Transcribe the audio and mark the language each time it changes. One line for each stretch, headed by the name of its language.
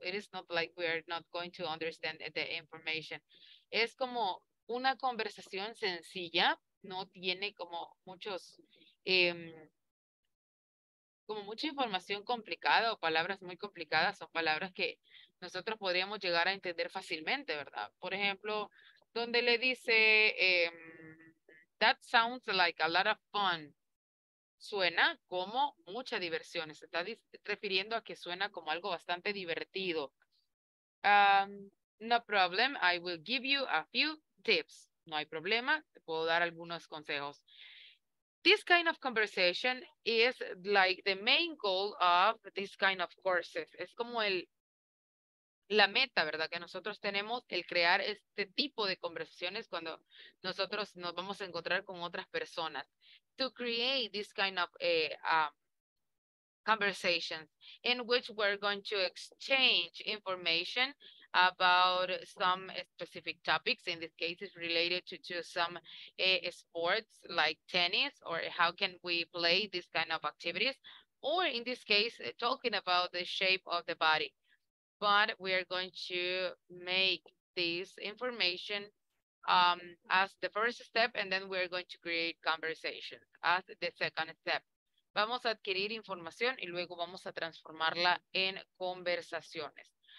English: It is not like we are not going to understand the information.
Spanish: Es como una conversación sencilla, no tiene como muchos como mucha información complicada o palabras muy complicadas, son palabras que nosotros podríamos llegar a entender fácilmente, ¿verdad? Por ejemplo, donde le dice,
English: that sounds like a lot of fun.
Spanish: Suena como mucha diversión. Se está refiriendo a que suena como algo bastante divertido.
English: No problem. I will give you a few tips.
Spanish: No hay problema. Te puedo dar algunos consejos.
English: This kind of conversation is like the main goal of this kind of courses.
Spanish: Es como la meta, ¿verdad? Que nosotros tenemos el crear este tipo de conversaciones cuando nosotros nos vamos a encontrar con otras personas.
English: To create this kind of conversations in which we're going to exchange information about some specific topics. In this case, it's related to some sports like tennis, or how can we play this kind of activities, or in this case, talking about the shape of the body. But we are going to make this information as the first step, and then we are going to create conversations as the second step.
Spanish: Vamos a adquirir información y luego vamos a transformarla en conversaciones.